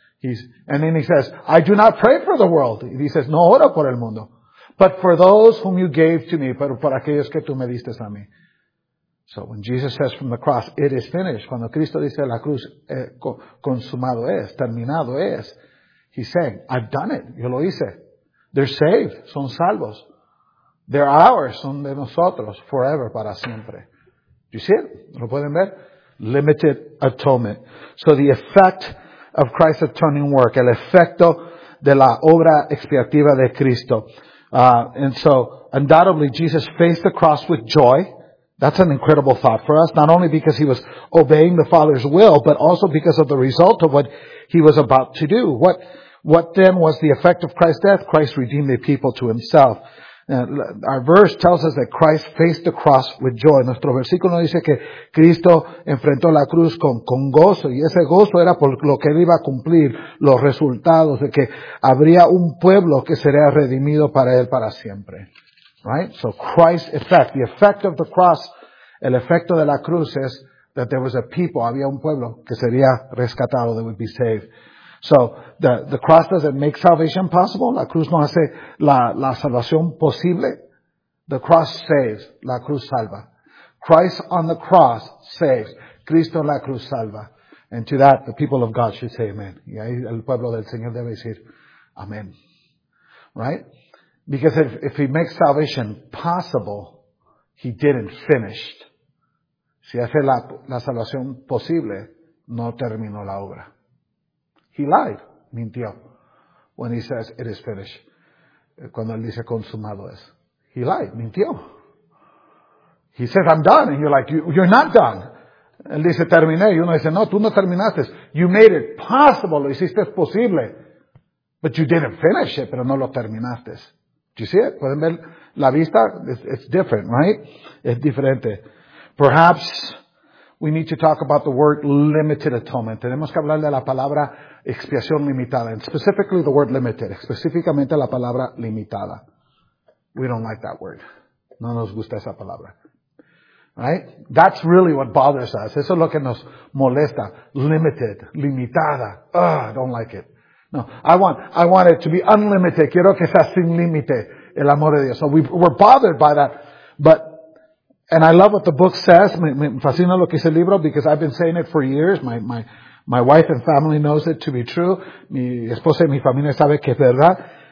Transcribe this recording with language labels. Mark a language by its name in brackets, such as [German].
[English] And then he says, I do not pray for the world. Y he says, [Spanish] no oro por el mundo. [English] But for those whom you gave to me. [Spanish] Pero por aquellos que tú me diste a mí. [English] So when Jesus says from the cross, it is finished. [Spanish] Cuando Cristo dice la cruz, consumado es, terminado es. [English] He's saying, I've done it. [Spanish] Yo lo hice. [English] They're saved. [Spanish] Son salvos. [English] They're ours. [Spanish] Son de nosotros. [English] Forever. [Spanish] Para siempre. [English] Do you see it? [Spanish] ¿Lo pueden ver? [English] Limited atonement. So the effect of Christ's atoning work. [Spanish] El efecto de la obra expiativa de Cristo. [English] And so, undoubtedly, Jesus faced the cross with joy. That's an incredible thought for us, not only because he was obeying the Father's will, but also because of the result of what he was about to do. What What then was the effect of Christ's death? Christ redeemed the people to himself. Our verse tells us that Christ faced the cross with joy. [Spanish] Nuestro versículo dice que Cristo enfrentó la cruz con gozo, y ese gozo era por lo que él iba a cumplir, los resultados de que habría un pueblo que sería redimido para él para siempre. [English] Right? So Christ's effect, the effect of the cross, [Spanish] el efecto de la cruz es [English] that there was a people, [Spanish] había un pueblo que sería rescatado, [English] that would be saved. So the cross doesn't make salvation possible. [Spanish] La cruz no hace la salvación posible. [English] The cross saves. [Spanish] La cruz salva. [English] Christ on the cross saves. [Spanish] Cristo en la cruz salva. [English] And to that, the people of God should say amen. [Spanish] Y ahí el pueblo del Señor debe decir amen. [English] Right? Because if he makes salvation possible, he didn't finish. [Spanish] Si hace la salvación posible, no terminó la obra. [English] He lied, [Spanish] mintió, [English] when he says, it is finished. [Spanish] Cuando él dice, consumado es. [English] He lied, [Spanish] mintió. [English] He says, I'm done. And you're like, you're not done. [Spanish] Él dice, terminé. Y uno dice, no, tú no terminaste. [English] You made it possible, [Spanish] lo hiciste posible. [English] But you didn't finish it, [Spanish] pero no lo terminaste. [English] Do you see it? [Spanish] ¿Pueden ver la vista? [English] It's different, right? [Spanish] Es diferente. [English] Perhaps we need to talk about the word limited atonement. [Spanish] Tenemos que hablar de la palabra expiación limitada. [English] And specifically the word limited. [Spanish] Específicamente la palabra limitada. [English] We don't like that word. [Spanish] No nos gusta esa palabra. [English] Right? That's really what bothers us. [Spanish] Eso es lo que nos molesta. [English] Limited. [Spanish] Limitada. [English] Ugh, I don't like it. [Spanish] No. [English] I want it to be unlimited. [Spanish] Quiero que sea sin límite. El amor de Dios. [English] So we're bothered by that. And I love what the book says. [Spanish] Me fascina lo que dice el libro, [English] because I've been saying it for years. My wife and family knows it to be true. [Spanish] Mi esposa y mi familia sabe que es verdad.